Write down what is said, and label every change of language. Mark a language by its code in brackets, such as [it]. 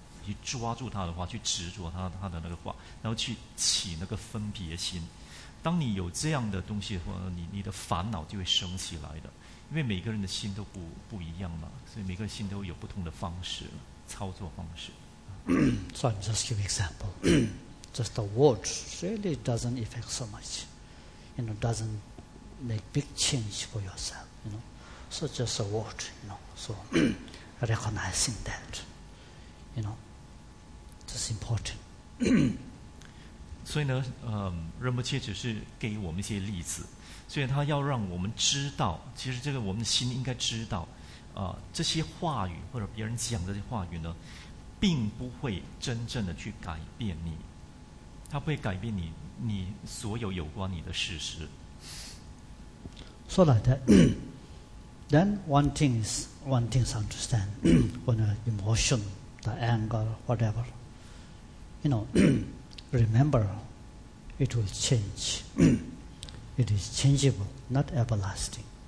[zh] 去抓住他的话，去执着他的那个话，然后去起那个分别心。当你有这样的东西的话，你的烦恼就会升起来的。因为每个人的心都不一样嘛，所以每个心都有不同的方式操作方式。 [en] So I'm just give example. Just the word really doesn't affect so much. You know, doesn't make big change for yourself. You know, so just a word. You know, so recognizing that.You know, That's important. [zh] 所以呢，仁波切只是给我们一些例子，所以他要让我们知道，其实这个我们心应该知道，这些话语或者别人讲的这些话语呢，并不会真正的去改变你，它不会改变你，你所有有关你的事实。 [en] So like that, then one thing is understand when the emotion, the anger, whatever, you know, remember, it will change. It is changeable, not everlasting.